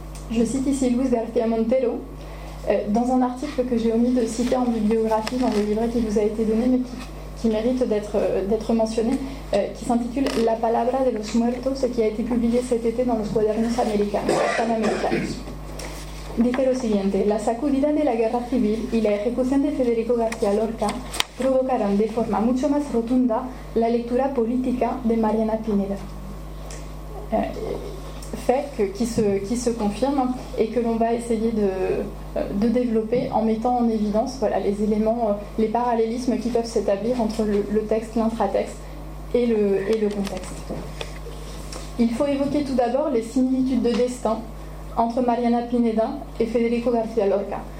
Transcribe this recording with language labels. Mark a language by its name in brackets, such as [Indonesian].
[French] Je cite ici Luis García Montero, dans un article que j'ai omis de citer en bibliographie dans le livret qui vous a été donné, mais qui mérite d'être mentionné, qui s'intitule « [Spanish] La palabra de los muertos [French] » et qui a été publié cet été dans [Spanish] los cuadernos panamericanos. Dice lo siguiente: «La sacudida de la guerra civil y la ejecución de Federico García Lorca provocaron de forma mucho más rotunda la lectura política de Mariana Pineda». [French] Fait qui se confirme et que l'on va essayer de développer en mettant en évidence les éléments, les parallélismes qui peuvent s'établir entre le texte, l'intratexte et le contexte. Il faut évoquer tout d'abord les similitudes de destin entre Mariana Pineda et Federico García Lorca.